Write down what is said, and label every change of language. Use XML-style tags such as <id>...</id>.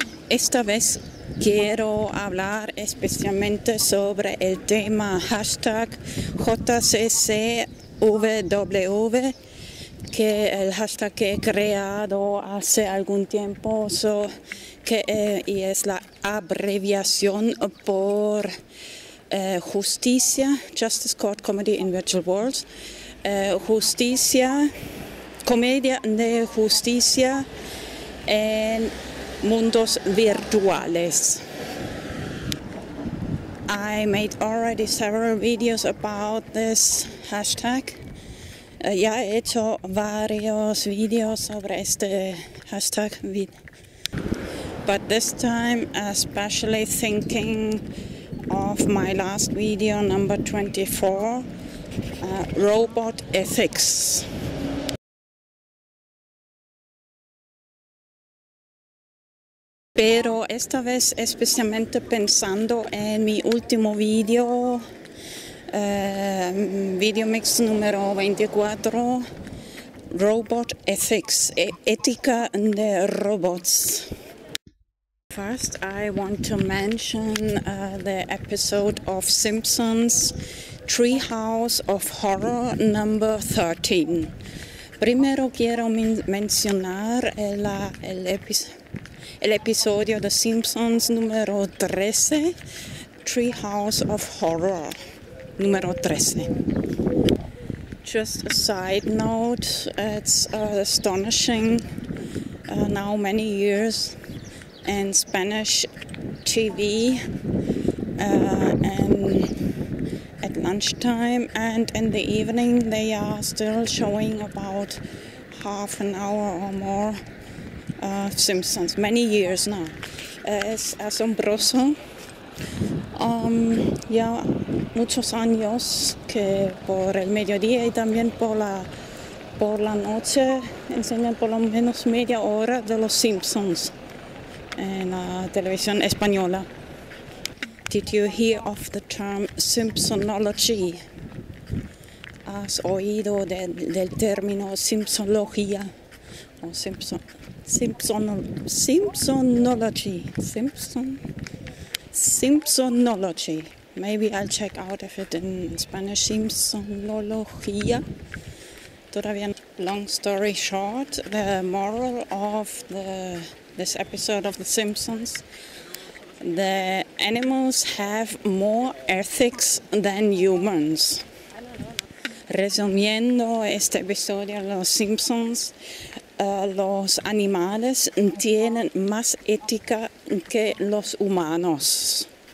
<es>Esta vez quiero hablar especialmente sobre el tema hashtag JCCVW, que el hashtag que he creado hace algún tiempo y es la abreviación por justicia, Justice Court Comedy in Virtual Worlds, justicia, comedia de justicia en mundos virtuales.</es> <en>I made already several videos about this hashtag.</en> <es>Ya he hecho varios videos sobre este hashtag.</es> <en>But this time, especially thinking of my last video, number 24, robot ethics.</en> <es>Pero esta vez especialmente pensando en mi último video, VideoMix número 24, Robot Ethics, ética de robots.</es> <en>First, I want to mention the episode of Simpsons, Treehouse of Horror number 13.</en> <es>Primero quiero mencionar el episodio de Simpsons número 13, Treehouse of Horror, número 13.</es> <en>Just a side note, it's astonishing now many years in Spanish TV and at lunchtime and in the evening they are still showing about half an hour or more Simpsons, many years now.</en> <es>Es asombroso. Ya muchos años que por el mediodía y también por la noche enseñan por lo menos media hora de los Simpsons en la televisión española.</es> <en>Did you hear of the term Simpsonology?</en> <es>¿Has oído del término Simpsonología? O Simpsonology.</es> <en>Maybe I'll check out if it in Spanish. Simpsonología.</en> <es>Todavía no.</es> <en>Long story short, the moral of this episode of The Simpsons, the animals have more ethics than humans.</en> <es>Resumiendo este episodio de Los Simpsons, los animales tienen más ética que los humanos.</es>